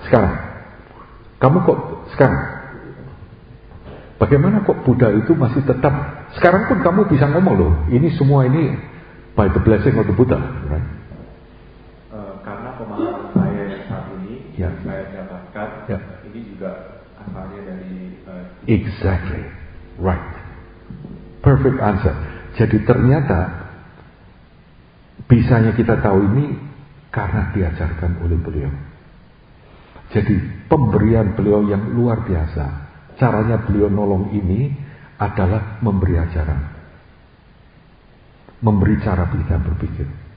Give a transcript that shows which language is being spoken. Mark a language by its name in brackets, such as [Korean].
[Indonesian] Sekarang. Kamu kok sekarang? Bagaimana kok Buddha itu masih tetap? Sekarang pun kamu bisa ngomong loh. Ini semua ini [English] by the blessing of the Buddha. Right? [Indonesian] Karena pemahaman saya yang saat ini yeah. Saya dapatkan yeah. Ini juga asalnya dari [English] exactly right, perfect answer. [Indonesian] Jadi ternyata bisanya kita tahu ini karena diajarkan oleh beliau. Jadi pemberian beliau yang luar biasa, caranya beliau nolong ini adalah memberi ajaran, memberi cara kita berpikir.